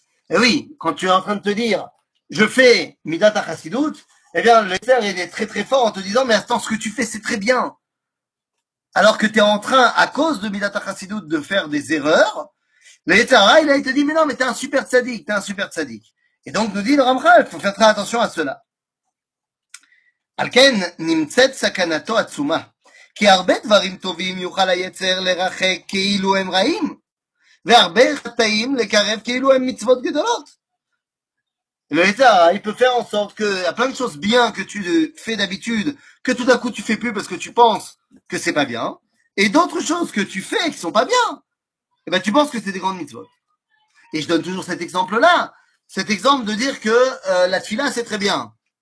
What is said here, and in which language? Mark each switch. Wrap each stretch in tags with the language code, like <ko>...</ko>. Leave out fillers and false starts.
<fr>Eh oui, quand tu es en train de te dire je fais midat hachassidut, eh bien le yetzer il est très très fort en te disant mais attends ce que tu fais c'est très bien. Alors que tu es en train à cause de midat hachassidut de faire des erreurs, le yetzer il te dit mais non mais t'es un super tzaddik. Et donc nous dit le Ramchal, il faut faire très attention à cela.</fr> <he>Alken nimtzet sakanato atzuma. כי הרבה דברים טובים יוכל היצר לרחק כאילו הם רעים, והרבה חטאים לקרב כאילו הם מצוות גדולות.</he> <fr>Il peut faire en sorte qu'il y a plein de choses bien que tu fais d'habitude, que tout d'un coup tu fais plus parce que tu penses que c'est pas bien, et d'autres choses que tu fais qui sont pas bien, et ben tu penses que c'est des grandes mitzvot. Et je donne toujours cet exemple-là, cet exemple de dire que la tefila c'est très bien.</fr>